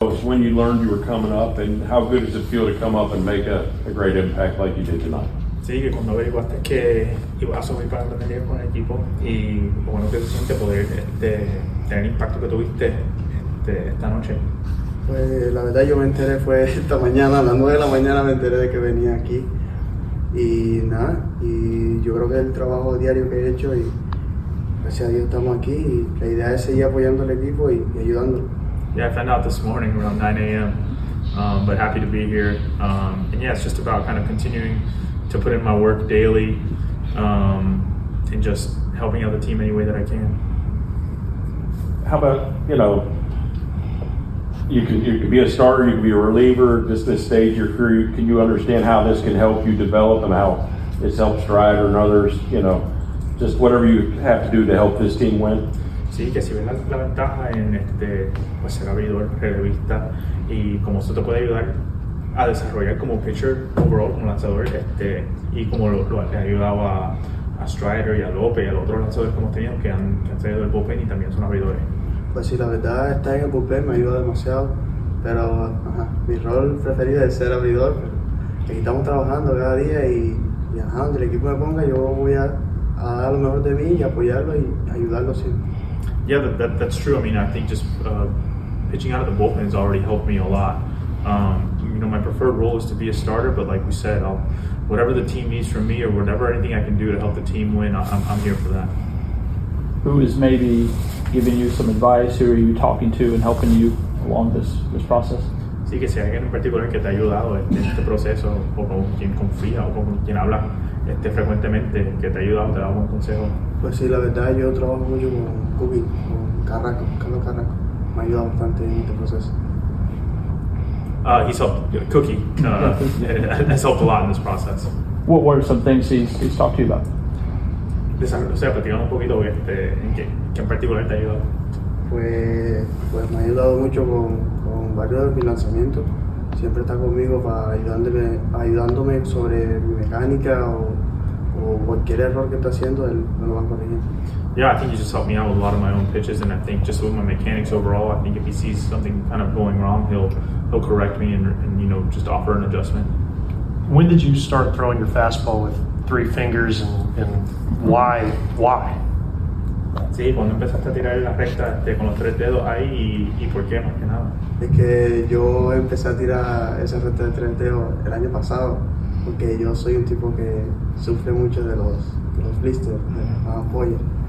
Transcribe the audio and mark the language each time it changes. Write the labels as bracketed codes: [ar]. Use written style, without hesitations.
[en] when you learned you were coming up, and how good does it feel to come up and make a great impact like you did tonight? [es] Sí, que cuando averiguaste que ibas a subir para la media con el equipo y lo bueno que se siente poder tener el impacto que tuviste esta noche. Pues la verdad yo me enteré fue esta mañana, a las 9 de la mañana me enteré de que venía aquí y nada, y yo creo que el trabajo diario que he hecho y gracias a Dios estamos aquí y la idea es seguir apoyando al equipo y ayudándolo. [en] Yeah, I found out this morning around 9 a.m. But happy to be here. And yeah, it's just about kind of continuing to put in my work daily and just helping out the team any way that I can. How about, you know, you can be a starter, you can be a reliever, just this stage of your career, can you understand how this can help you develop and how this helps Ryder and others, you know, just whatever you have to do to help this team win? [es] Sí, que si ves la ventaja en pues ser abridor, relevista, y cómo esto te puede ayudar a desarrollar como pitcher overall, como lanzador, y como lo ha ayudado a Strider y a López y a los otros lanzadores que hemos tenido que han salido del bullpen y también son abridores. Pues sí, la verdad, estar en el bullpen me ayuda demasiado, pero mi rol preferido es ser abridor. Estamos trabajando cada día y donde el equipo me ponga, yo voy a dar lo mejor de mí y apoyarlo y ayudarlo siempre. [en] Yeah, that's true. I mean, I think just pitching out of the bullpen has already helped me a lot. You know, my preferred role is to be a starter, but like we said, whatever the team needs from me or whatever anything I can do to help the team win, I'm here for that. Who is maybe giving you some advice? Who are you talking to and helping you along this process? [es] Sí, que si hay alguien en particular que te ha ayudado en este proceso, o con quien confía, o con quien habla frecuentemente, que te ha ayudado, te da buen consejo. Pues sí, la verdad, yo trabajo mucho con Cubi, con Carraco, Carlos Carraco. Me ha ayudado bastante en este proceso. [en] He's helped, Cookie, has helped a lot in this process. What were some things he's talked to you about? [es] O sea, platicando un poquito, ¿en qué en particular te ha ayudado? Pues me ha ayudado mucho con varios de mis lanzamientos. Siempre está conmigo para ayudándome sobre mi mecánica o cualquier error que está haciendo, él me lo va a corregir. [en] Yeah, I think he just helped me out with a lot of my own pitches, and I think just with my mechanics overall, I think if he sees something kind of going wrong, he'll correct me and you know, just offer an adjustment. When did you start throwing your fastball with three fingers and why? Why? [es] Sí, cuando empezaste a tirar la recta con los tres dedos ahí y por qué más que nada. Es que yo empecé a tirar esa recta de tres dedos el año pasado porque yo soy un tipo que sufre mucho de los blisters, de las ampollas.